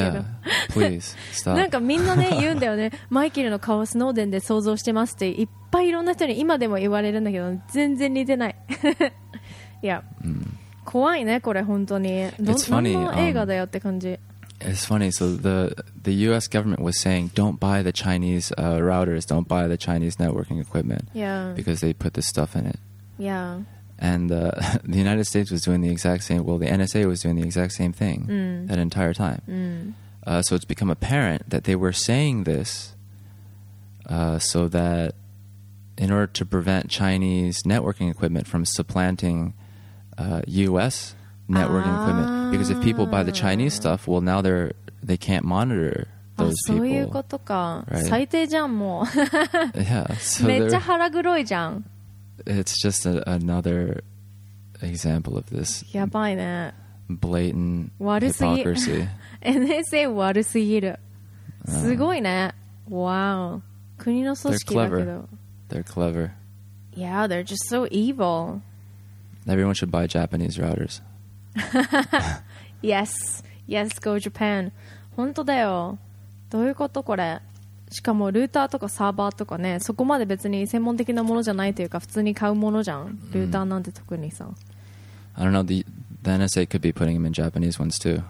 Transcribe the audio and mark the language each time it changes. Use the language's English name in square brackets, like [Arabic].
[English] Yeah, please, stop. [Japanese] なんかみんなね、言うんだよね。マイケルの顔をスノーデンで想像してますって、いっぱいいろんな人に今でも言われるんだけど、全然似てない。いや、怖いね、これ、本当に。 [English] It's funny. [Japanese] どんな映画だよって感じ。 [English] It's funny. So the U.S. government was saying, don't buy the Chinese routers, don't buy the Chinese networking equipment, because they put this stuff in it. Yeah. And the United States was doing the exact same. Well, the NSA was doing the exact same thing that entire time. So it's become apparent that they were saying this so that in order to prevent Chinese networking equipment from supplanting U.S. networking equipment. Because if people buy the Chinese stuff, well, now they can't monitor those people. [Japanese] そういうことか。 [English] Right? [Japanese] 最低じゃん、もう。 [English] Yeah, so [Japanese] めっちゃ腹黒いじゃん。 [English] It's just another example of this. [Japanese] やばいね。 [English] Blatant hypocrisy. [Japanese] NSA 悪すぎる。すごいね。Wow. 国の組織だけど。 [English] They're clever. They're clever. Yeah, they're just so evil. Everyone should buy Japanese routers. Yes. Yes, go Japan. [Japanese] 本当だよ。どういうことこれ。しかもルーターとかサーバーとかね、そこまで別に専門的なものじゃないというか、普通に買うものじゃん。ルーターなんて特にさ。 [English] I don't know. The NSA could be putting them in Japanese ones too.